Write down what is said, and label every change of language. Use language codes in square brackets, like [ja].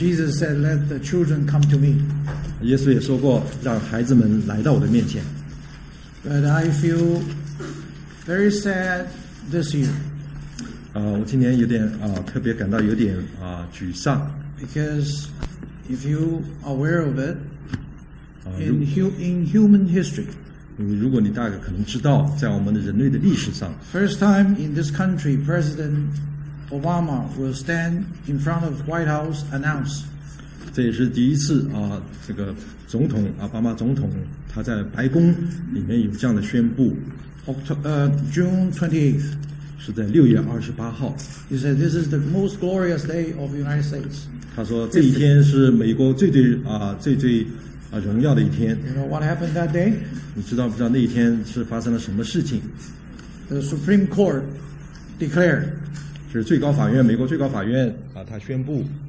[en] Jesus said, "Let the children come to me." [zh] 耶稣也说过，让孩子们来到我的面前。 [en] But I feel very sad this year. [zh] 我今年有点特别感到有点沮丧。 [en] Because if you are aware of it, in human history, [zh] 如果你大概可能知道，在我们的人类的历史上 [en] ，first time in this country, President Obama will stand in front of White House announce. [zh] 这也是第一次这个总统奥巴马总统他在白宫里面有这样的宣布。 [en] June 28th. [zh] 是在六月二十八号。 [en] He said this is the most glorious day of the United States. [zh] 他说这一天是美国最最最最荣耀的一天。 [en] You know what happened that day? [zh] 你知道不知道那一天是发生了什么事情 [en] ？The Supreme Court declared. [zh] 是最高法院，美国最高法院他宣布